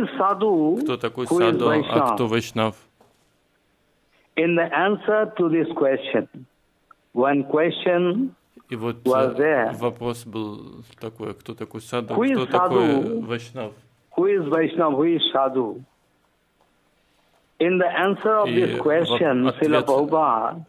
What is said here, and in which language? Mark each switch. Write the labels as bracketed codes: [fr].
[ru] Кто такой саду, а кто вайшнав? [en] In the answer to this question, one question [ru] и вот [en] was there. [ru] Вопрос был такой: кто такой саду, кто саду? Такой вайшнав? [en] Who is вайшнав, who is саду? In the answer of this question, Srila Prabhupada